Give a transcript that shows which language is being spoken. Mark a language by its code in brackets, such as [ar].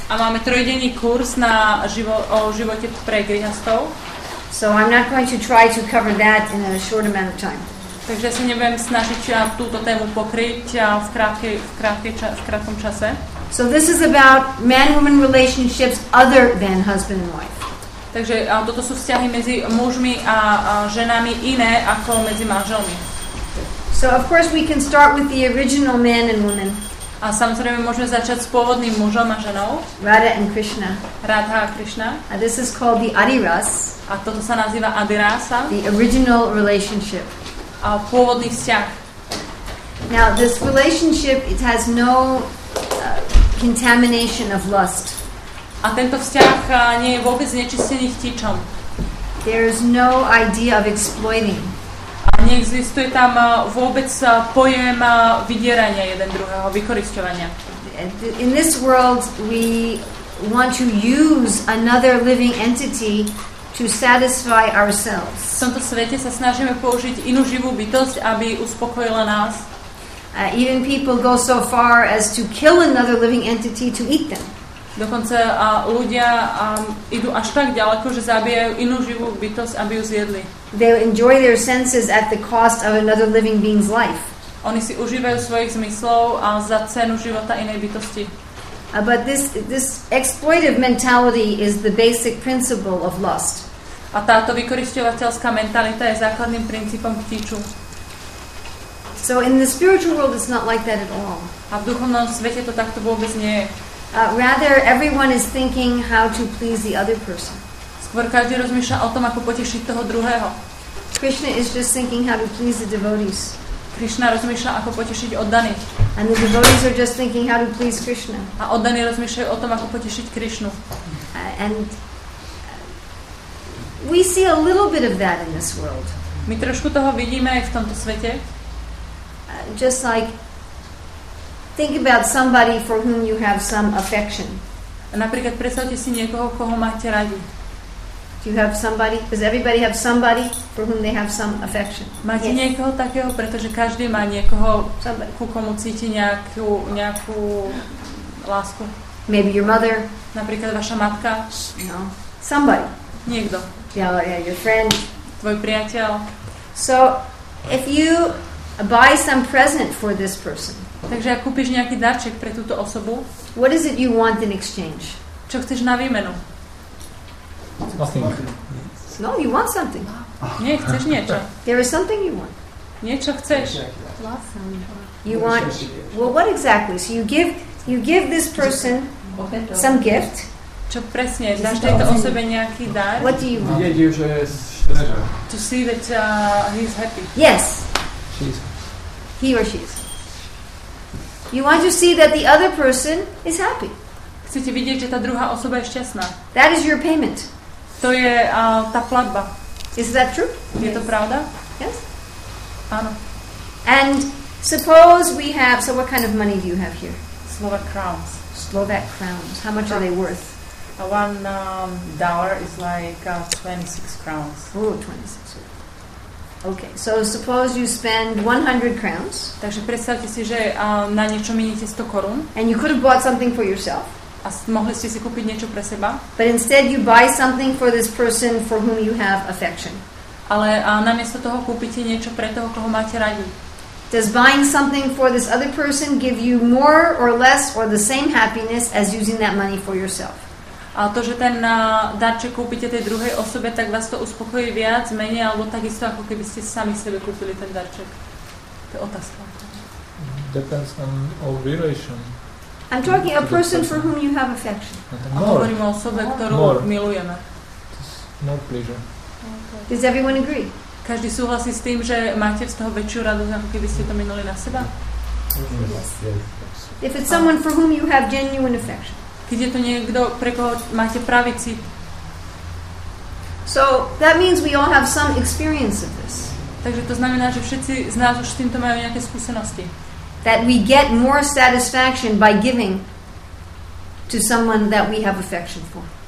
[sk] A máme trojdenný kurz na o živote pre grihastov. [en] So I'm not going to try to cover that in a short amount of time. [sk] Takže sa nebudem snažiť túto tému pokryť v krátkom čase. [en] So this is about man-woman relationships other than husband and wife. [sk] Takže toto sú vzťahy medzi mužmi a ženami iné ako medzi manželmi. [en] So of course we can start with the original man and woman. [sk] A samozrejme môžeme začať s pôvodným mužom a ženou. [en] Radha and Krishna. [sk] Radha a Krishna. [en] And this is called the Adiras. [sk] A toto sa nazýva Adirasa. [en] The original relationship. [sk] A pôvodný vzťah. [en] Now this relationship, it has no contamination of lust. [sk] A tento vzťah nie je vôbec znečistený chtičom. [en] There is no idea of exploiting. [sk] A neexistuje tam vôbec pojem vydierania jeden druhého, vykorisťovania. [en] In this world we want to use another living entity to satisfy ourselves. [sk] V tomto svete sa snažíme použiť inú živú bytosť, aby uspokojila nás. [en] Even people go so far as to kill another living entity to eat them. [sk] Dokonca ľudia idú až tak ďaleko, že zabijajú inú živú bytosť, aby ju zjedli. [en] They enjoy their senses at the cost of another living being's life. [sk] Oni si užívajú svojich zmyslov a za cenu života inej bytosti. [en] But this exploitive mentality is the basic principle of lust. [sk] A táto vykorisťovateľská mentalita je základným princípom chtiču. [en] So in the spiritual world it's not like that at all. [sk] A v duchovnom svete to takto vôbec nie je. [en] Rather everyone is thinking how to please the other person. [sk] Skôr každý rozmýšľa o tom, ako potešiť toho druhého. [en] Krishna is just thinking how to please the devotees. [sk] Krishna rozmýšľa, ako potešiť oddaných. [en] And the devotees are just thinking how to please Krishna. [sk] A oddaní rozmýšľajú o tom, ako potešiť Krishnu. [en] And we see a little bit of that in this world. [sk] My trošku toho vidíme aj v tomto svete. [en] Just like think about somebody for whom you have some affection. [sk] Napríklad predstavte si niekoho, koho máte radi. [en] Do you have somebody? Does everybody have somebody for whom they have some affection? [sk] Máte niekoho takého, pretože každý má niekoho, ku komu cíti nejakú lásku. [en] Maybe your mother. [sk] Napríklad vaša matka. [en] No. Somebody. [sk] Niekto. [en] Yeah, your friend. [sk] Tvoj priateľ. [en] So, if you buy some present for this person. [sk] Takže ak kúpiš nejaký darček pre túto osobu. [en] What is it you want in exchange? [sk] Čo chceš na výmenu? [en] Nothing. No, you want something. [sk] Nie, chceš niečo. [en] There is something you want. [sk] Niečo chceš. [en] You want, well, what exactly? So you give this person some gift. [sk] Čo presne? Dáš tejto osobe nejaký dar? [en] What do you want? [sk] Vidieť ju, že je šťastná. [en] To see that he's happy. Yes. She is. He or she is. You want to see that the other person is happy. [sk] Chcete vidieť, že tá druhá osoba je šťastná. [en] That is your payment. [sk] To je tá platba. [en] Is that true? [sk] Je to pravda? [en] Yes. [sk] Áno. [en] And suppose we have, so what kind of money do you have here? Slovak crowns. Slovak crowns. How much are they worth? One dollar is like 26 crowns. Oh, 26. Okay, so suppose you spend 100 crowns. [sk] Takže predstavte si, že na niečo miniete 100 korún. [en] And you could have bought something for yourself. [sk] A mohli ste si kúpiť niečo pre seba. [en] But instead you buy something for this person for whom you have affection. [sk] Ale namiesto toho kúpite niečo pre toho, koho máte radi. [en] Does buying something for this other person give you more or less or the same happiness as using that money for yourself? [sk] A to, že ten darček kúpite tej druhej osobe, tak vás to uspokojí viac, menej, alebo takisto, ako keby ste sami sebe kúpili ten darček? To je otázka. [en] Depends on our relation. I'm talking a person for whom you have affection. [sk] A hovorím o osobe, ktorú milujeme. [en] More pleasure. Does everyone agree? [sk] Každý súhlasí s tým, že máte z toho väčšiu radosť, ako keby ste to minuli na seba? [en] Yes. If it's someone for whom you have genuine affection. [sk] Keď je to niekto, pre koho máte pravý cit. [en] So that means we all have some experience of this. [sk] Takže to znamená, že všetci z nás už s týmto majú nejaké skúsenosti. [en] That we get more satisfaction by giving to someone that we have affection for.